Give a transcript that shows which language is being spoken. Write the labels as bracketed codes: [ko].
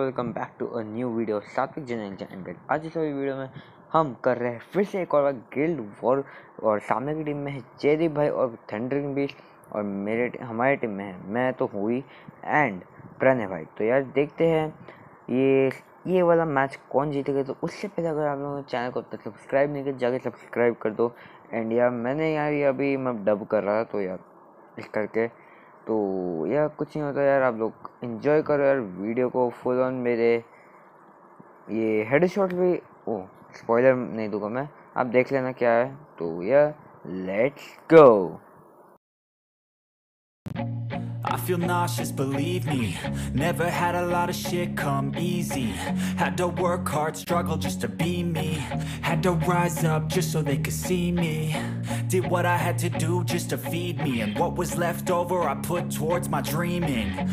[en] Welcome back to a new video of Sattvic Jinja Ended. [hi] आज इस video में हम कर रहे हैं फिर से एक और गिल्ड वॉर, और सामने की टीम में है चेरी भाई और थंडरिंग बीस्ट, और मेरे हमारे टीम में है मैं तो हुई एंड प्रणय भाई। तो यार देखते हैं ये वाला मैच कौन जीतेगा। तो उससे पहले अगर आप लोगों ने चैनल को अब तक सब्सक्राइब नहीं किया जाके सब्सक्राइब कर दो। एंड यार मैंने यार ये अभी मैं डब कर रहा था तो यार इस करके तो यार कुछ नहीं होता यार, आप लोग इन्जॉय करो यार वीडियो को फुल ऑन। मेरे ये हेडशॉट भी ओ स्पॉइलर नहीं दूंगा मैं, आप देख लेना क्या है। तो यार [en] Let's go. I feel nauseous, believe me. Never had a lot of shit come easy. Had to work hard, struggle just to be me. Had to rise up just so they could see me. Did what I had to do just to feed me. And what was left over I put towards my dreaming.